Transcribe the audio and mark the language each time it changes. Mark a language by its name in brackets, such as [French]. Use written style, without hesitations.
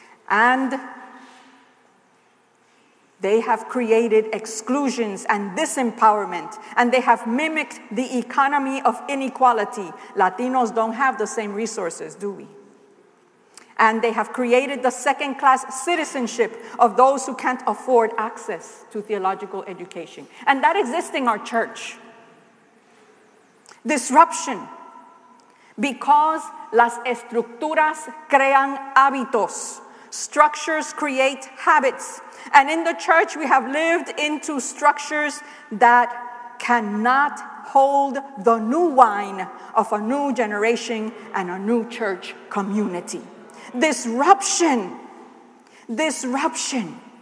[English] And they have created exclusions and disempowerment, and they have mimicked the economy of inequality. Latinos don't have the same resources, do we? And they have created the second-class citizenship of those who can't afford access to theological education. And that exists in our church. Disruption. [Spanish] Because las estructuras crean hábitos. [English] Structures create habits. And in the church, we have lived into structures that cannot hold the new wine of a new generation and a new church community. Disruption. Disruption.